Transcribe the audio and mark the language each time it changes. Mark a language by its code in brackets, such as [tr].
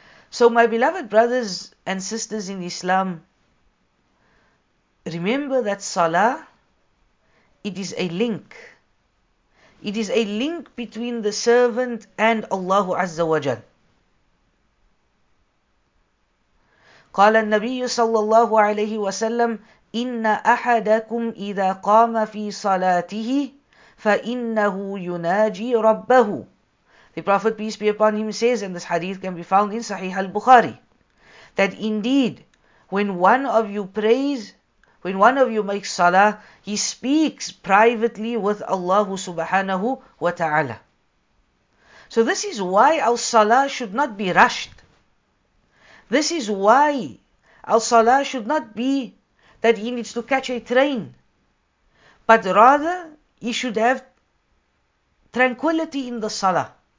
[en] So my beloved brothers and sisters in Islam, remember that salah, it is a link. It is a link between the servant and Allah Azza wa Jal. [ar] قال النبي صلى الله عليه وسلم إن أحدكم إذا قام في صلاته فإنه يناجي ربه. [en] The Prophet peace be upon him says, and this hadith can be found in Sahih al-Bukhari, that indeed when one of you prays, when one of you makes salah, he speaks privately with Allah subhanahu wa ta'ala. So this is why our salah should not be rushed. This is why our salah should not be that he needs to catch a train, but rather he should have tranquility in the salah.